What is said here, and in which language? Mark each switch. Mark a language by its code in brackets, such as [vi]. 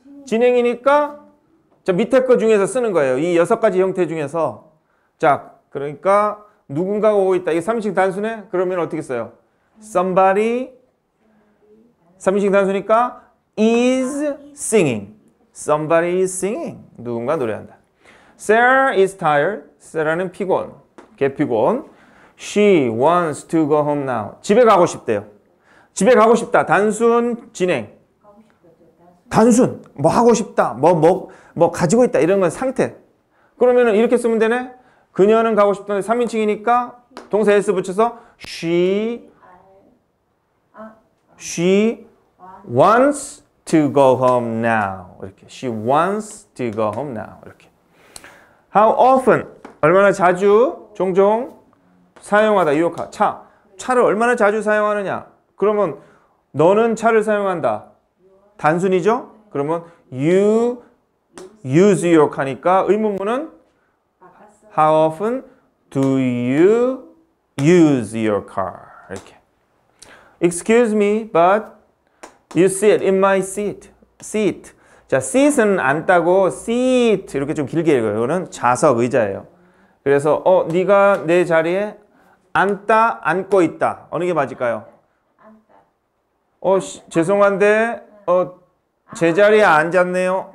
[ko] 진행이니까, 자, 밑에 거 중에서 쓰는 거예요. 이 여섯 가지 형태 중에서. 자, 그러니까. 누군가가 오고 있다. 이게 3인칭 단순해? 그러면 어떻게 써요? [en] Somebody [ko] 3인칭 단순이니까 [en] is singing. Somebody is singing. [ko] 누군가 노래한다. [en] Sarah is tired. [ko] Sarah는 피곤. 개피곤. [en] She wants to go home now. [ko] 집에 가고 싶대요. 집에 가고 싶다. 단순 진행. 단순. 뭐 하고 싶다. 뭐 가지고 있다. 이런 건 상태. 그러면은 이렇게 쓰면 되네. 그녀는 가고 싶던데 3인칭이니까 동사 S 붙여서 [en] she wants to go home now. [ko] 이렇게. [en] She wants to go home now. 이렇게. How often? [ko] 얼마나 자주? 종종 사용하다. 유효카. 차. 차를 얼마나 자주 사용하느냐? 그러면 너는 차를 사용한다. 단순이죠? 그러면 [en] you use your car니까 [ko] 의문문은 [en] How often do you use your car? [ko] 이렇게. [en] Excuse me, but you sit in my seat. Seat. [ko] 자, seat은 앉다고 seat 이렇게 좀 길게 읽어요. 이거는 좌석 의자예요. 그래서 네가 내 자리에 앉다, 앉고 있다. 어느 게 맞을까요? 죄송한데 제 자리에 앉았네요.